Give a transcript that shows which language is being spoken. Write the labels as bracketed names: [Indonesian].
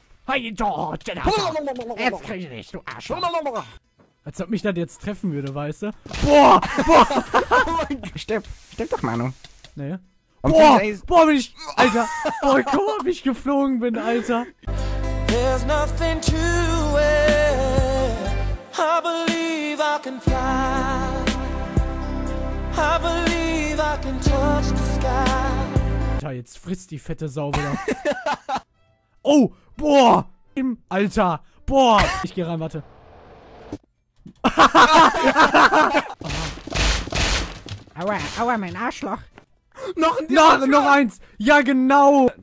[German] Hey George, der jetzt krieg ich dich, du Arschloch. Als ob mich das jetzt treffen würde, weißt du? Boah! Stirb doch, Manu. Naja. Und boah, bin ich... Alter! Boah, guck mal, wie ich geflogen bin, Alter! [English] There's nothing to it. I believe I can fly. I believe I can touch the sky. [German] Alter, jetzt frisst die fette Sau wieder. Oh! Boah! Im Alter! Boah! Ich geh rein, warte. Aua, aua, mein Arschloch. Noch eins. Ja, genau.